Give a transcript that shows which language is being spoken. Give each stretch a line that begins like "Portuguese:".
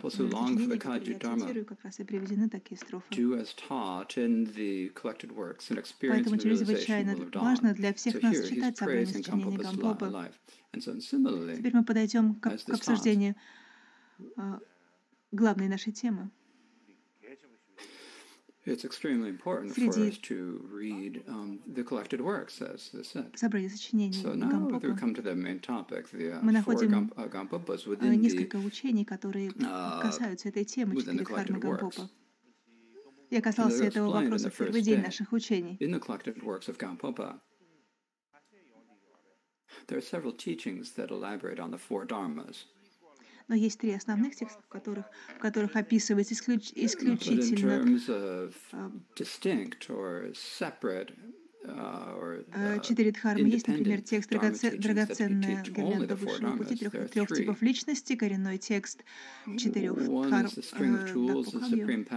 Russian: Я цитирую, как раз и приведены такие строфы. Поэтому чрезвычайно важно для всех нас читать собрание сочинений Гампопы. Теперь мы подойдем к обсуждению главной нашей темы.
English: It's extremely important for us to read the collected works, as this said.
Russian: Собрание сочинений Гампопа.
English: So now we come to the main topic, the four Гампопас within the
Russian: несколько учений, которые касаются этой темы, четыре дхармы Гампопа. Я касался этого вопроса в первый день наших учений.
English: In the collected works of Гампопа, there are several teachings that elaborate on the four dharmas.
Russian: Но есть три основных текста, в которых описывается исключительно четыре дхармы. Есть, например, текст «Драгоценная гирлянда высшего пути», трех типов личности, коренной текст четырех дхарм